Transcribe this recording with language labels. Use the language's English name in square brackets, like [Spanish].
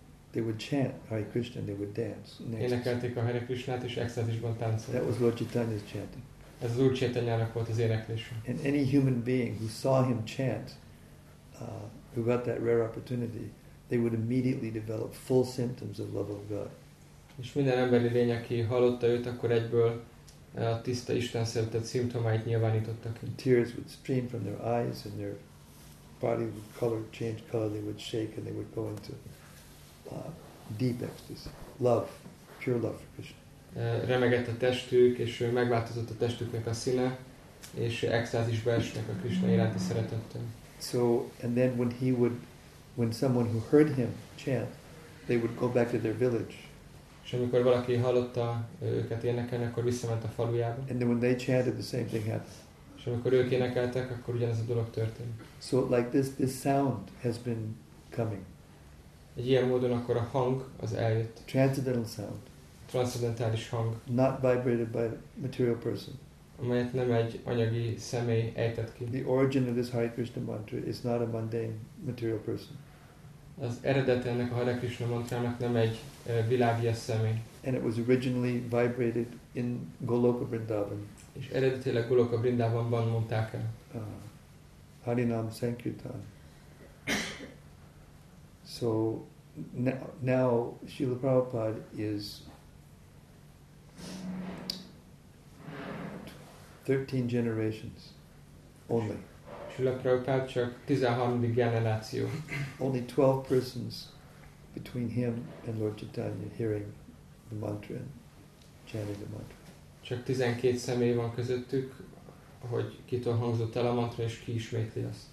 [English] They would chant Hare Krishna, they would dance. [Hungarian] Énekelték a Hare Krishnát, és extázisban táncoltak. [English] That was Lord Chaitanya's chanting. [Hungarian] Ez az Úr Chaitanyának volt az éneklése. [English] And any human being who saw him chant, who got that rare opportunity, they would immediately develop full symptoms of love of God. [Hungarian] És minden emberi lény, aki hallotta őt, akkor egyből a tiszta Isten szeretet szimptomáit nyilvánítottak. [English] Tears would stream from their eyes and their body would color change color, they would shake and they would go into deep ecstasy, love, pure love for Krishna. [Hungarian] Remegett a testük és megváltozott a testüknek a színe és extázisba estek a Krishna iránti szeretettel. [English] So and then when he would, when someone who heard him chant, they would go back to their village. [Hungarian] És amikor valaki hallotta őket énekelni, akkor visszament a falujába. [English] And then when they chanted, the same thing happened. [Hungarian] És amikor ők énekeltek, akkor ugyanez a dolog történt. [English] So like this sound has been coming. [Hungarian] Egy ilyen módon akkor a hang az eljött. [English] Transcendental sound. [Hungarian] Transcendentális hang. [English] Not vibrated by a material person. [Hungarian] Amelyet nem egy anyagi személy ejtett ki. [English] The origin of this Hare Krishna mantra is not a mundane material person. [Hungarian] Az eredete ennek a Hare Krishna mantrának nem egy világias személy. [English] And it was originally vibrated in Goloka Vrindavan. [Hungarian] És eredetileg Goloka Vrindavanban mondták el. [Sanskrit] Harinam Sankirtan. [English] So now Srila Prabhupada is 13 generations only. [Hungarian] Srila Prabhupada csak 13. generáció. [English] Only 12 persons between him and Lord Chaitanya hearing the mantra and chanting the mantra. [Hungarian] Csak 12 személy van közöttük, hogy kitől hangzott el a mantra és ki ismétli azt.